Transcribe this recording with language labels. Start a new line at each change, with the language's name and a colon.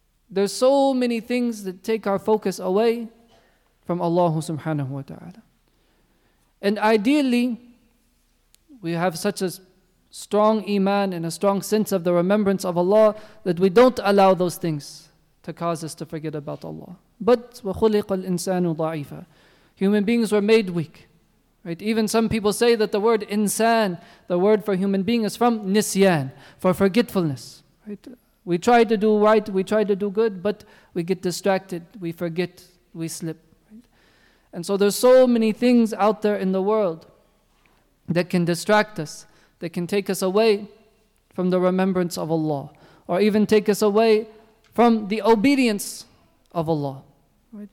English: There's so many things that take our focus away from Allah subhanahu wa ta'ala. And ideally, we have such a strong iman and a strong sense of the remembrance of Allah, that we don't allow those things to cause us to forget about Allah.
Arabic: But وَخُلِقَ الْإِنسَانُ ضَعِيفًا.
English: Human beings were made weak. Right? Even some people say that the word insan, the word for human being, is from nisyan, for forgetfulness. Right? We try to do right, we try to do good, but we get distracted, we forget, we slip. Right? And so there's so many things out there in the world that can distract us, that can take us away from the remembrance of Allah, or even take us away from the obedience of Allah. Right?